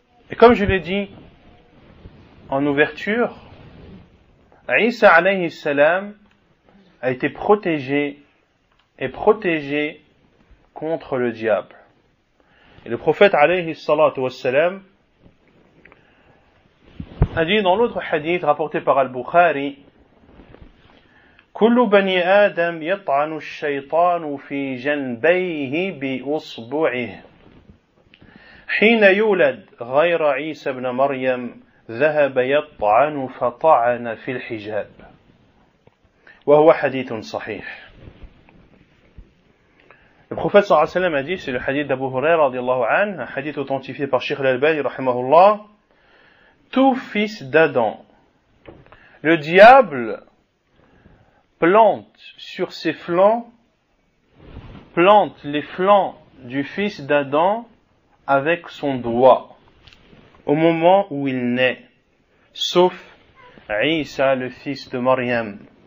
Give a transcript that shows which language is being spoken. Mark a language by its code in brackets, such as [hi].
[fr] Et comme je l'ai dit en ouverture, Isa alayhi salam a été protégé et protégé contre le diable. Et le prophète alayhi salatu wassalam a dit dans l'autre hadith rapporté par Al-Bukhari, [ar] كل بني آدم يطعن الشيطان في جنبيه بأصبعه حين يولد غير عيسى بن مريم ذهب يطعن فطعن في الحجاب. وهو حديث صحيح. [fr] Le prophète صلى الله عليه وسلم a dit, c'est le hadith d'Abu Huraira رضي الله عنه, un hadith authentifié par Cheikh Al-Albani رحمه الله, tout fils d'Adam, le diable plante sur ses flancs, plante les flancs du fils d'Adam avec son doigt au moment où il naît, sauf Isa, le fils de Maryam.